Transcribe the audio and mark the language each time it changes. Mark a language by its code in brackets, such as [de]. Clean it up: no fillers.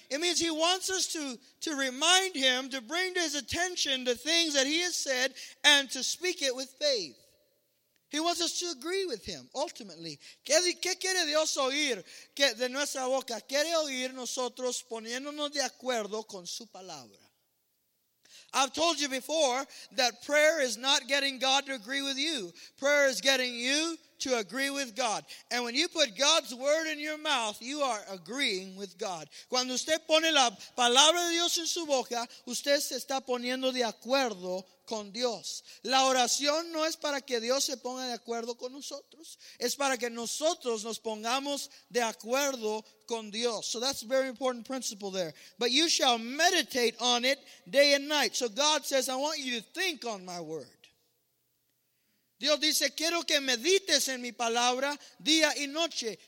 [en] It means he wants us to remind him, to bring to his attention the things that he has said and to speak it with faith. He wants us to agree with him, ultimately. [es] ¿Qué quiere Dios oír de nuestra boca? Quiere oír nosotros poniéndonos de acuerdo con su palabra. [en] I've told you before that prayer is not getting God to agree with you. Prayer is getting you to agree with God. And when you put God's word in your mouth, you are agreeing with God. [es] Cuando usted pone la palabra de Dios en su boca, usted se está poniendo de acuerdo con Dios. La oración no es para que Dios se ponga de acuerdo con nosotros. Es para que nosotros nos pongamos de acuerdo con Dios. [en] So that's a very important principle there. But you shall meditate on it day and night. So God says, I want you to think on my word. [es] Dios dice, quiero que medites en mi palabra día y noche.